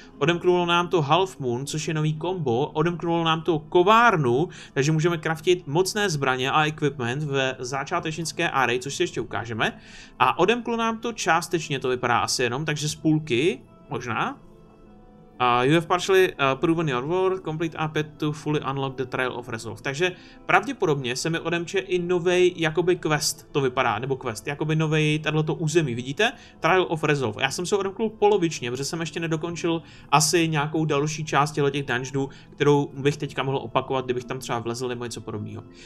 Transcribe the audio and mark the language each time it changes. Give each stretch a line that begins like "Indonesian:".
Czech: Odemknulo nám to Half Moon, což je nový kombo. Odemknulo nám to kovárnu, takže můžeme craftit mocné zbraně a equipment ve začátečnické array, což si ještě ukážeme. A odemklo nám to částečně, to vypadá asi jenom, takže z půlky, možná.
English: You have partially proven your word, complete A5 to fully unlock the Trail of Resolve.
Czech: Takže pravděpodobně se mi odemče i novej jakoby quest, to vypadá, nebo quest, jakoby novej tato území, vidíte? Trail of Resolve. Já jsem se odemkl polovičně, protože jsem ještě nedokončil asi nějakou další část těch dungeonů, kterou bych teďka mohl opakovat, kdybych tam třeba vlezl nebo něco podobného.